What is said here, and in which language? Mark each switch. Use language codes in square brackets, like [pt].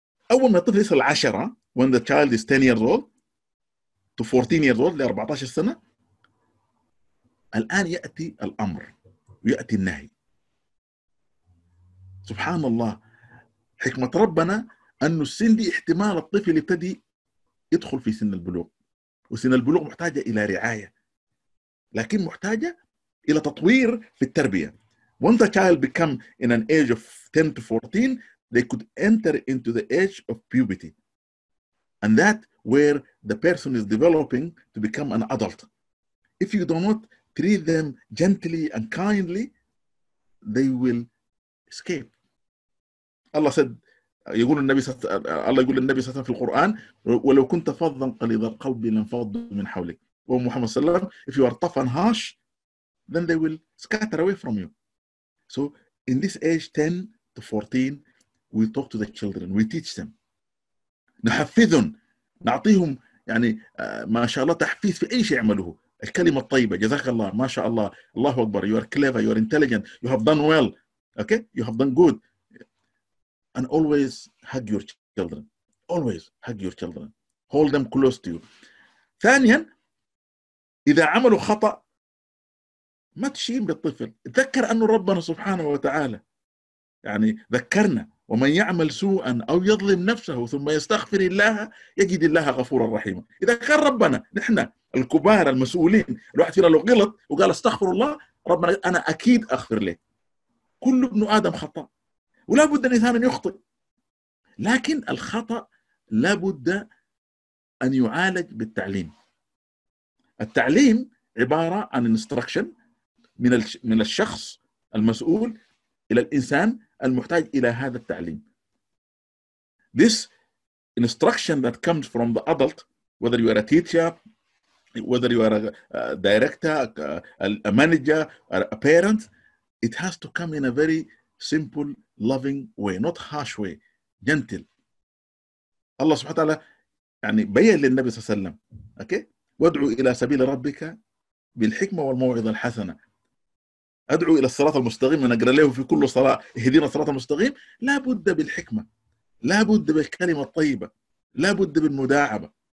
[ar] أول ما الطفل يصل 10 [en] when the child is 10 years old [ar] to 14 years old 14 سنة، الآن يأتي الأمر ويأتي النهي. سبحان الله، حكمة ربنا أنه السن دي احتمال الطفل يبتدي يدخل في سن البلوغ، وسن البلوغ محتاجة إلى رعاية لكن محتاجة إلى تطوير في التربية. [en] When the child become in an age of 10 to 14 they could enter into the age of puberty and that where the person is developing to become an adult. If you do not treat them gently and kindly they will escape. Allah said, [ar] يقول النبي الله يقول النبي صلى الله عليه وسلم في القرآن ولو كنت فظا قليظ القلب لانفض من حولك. ومحمد صلى الله عليه وسلم [en] if you are tough and harsh then they will scatter away from you. So in this age 10 to 14 we talk to the children, we teach them. [ar] نحفذهم، نعطيهم يعني ما شاء الله تحفيز في أي شيء يعمله. الكلمة الطيبة، جزاك الله، ما شاء الله، الله أكبر، [en] you are clever, you are intelligent, you have done well, okay, you have done good. And always hug your children. Always hug your children. Hold them close to you. [ar] ثانيا، إذا عملوا خطأ، ما تشيم للطفل. ذكر أنه ربنا سبحانه وتعالى. يعني ذكرنا. ومن يعمل سوءا أو يظلم نفسه ثم يستغفر الله يجد الله غفورا رحيما. إذا كان ربنا نحن الكبار المسؤولين الواحد فينا لو غلط وقال استغفر الله ربنا أنا أكيد أغفر له. كل ابن آدم خطأ ولا بد أن إنسان يخطئ، لكن الخطأ لا بد أن يعالج بالتعليم. التعليم عبارة عن instruction من الشخص المسؤول إلى الإنسان المحتاج إلى هذا التعليم. [en] This instruction that comes from the adult, whether you are a teacher, whether you are a director, a manager, or a parent, it has to come in a very simple, loving way, not harsh way, gentle. [ar] الله سبحانه وتعالى يعني بيّن للنبي صلى الله عليه وسلم، okay؟ وادعو إلى سبيل ربك بالحكمة والموعظة الحسنة. أدعو إلى الصراط المستقيم، أنا أقرأ له في كل صلاة اهدينا الصراط المستقيم. لا بد بالحكمة، لا بد بالكلمة الطيبة، لا بد بالمداعبة.